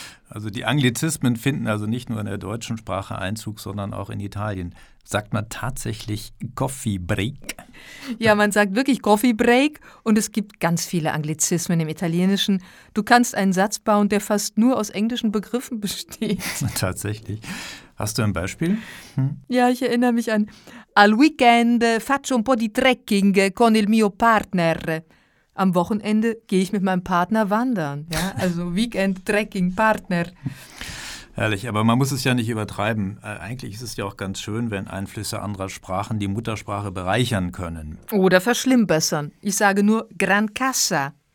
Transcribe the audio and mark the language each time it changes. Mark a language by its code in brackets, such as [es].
[de] Also die Anglizismen finden also nicht nur in der deutschen Sprache Einzug, sondern auch in Italien. Sagt man tatsächlich Coffee Break? Ja, man sagt wirklich Coffee Break und es gibt ganz viele Anglizismen im Italienischen. Du kannst einen Satz bauen, der fast nur aus englischen Begriffen besteht. Tatsächlich. Hast du ein Beispiel? Ja, ich erinnere mich an: [it] Al weekend faccio un po' di trekking con il mio partner. [de] Am Wochenende gehe ich mit meinem Partner wandern. Ja? Also Weekend-Trekking-Partner. Herrlich, aber man muss es ja nicht übertreiben. Eigentlich ist es ja auch ganz schön, wenn Einflüsse anderer Sprachen die Muttersprache bereichern können. Oder verschlimmbessern. Ich sage nur Gran Casa.